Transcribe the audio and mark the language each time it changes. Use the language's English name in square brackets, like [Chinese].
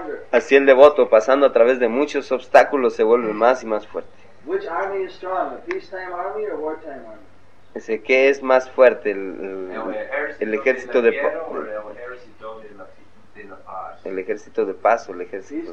[Spanish] Así el devoto, pasando a través de muchos obstáculos, se vuelve más y más fuerte. [English] Which army is strong, a peacetime army or wartime army? [Spanish] Dice, ¿qué es más fuerte, el ejército de paz o el ejército de la paz? El ejército de paz o el ejército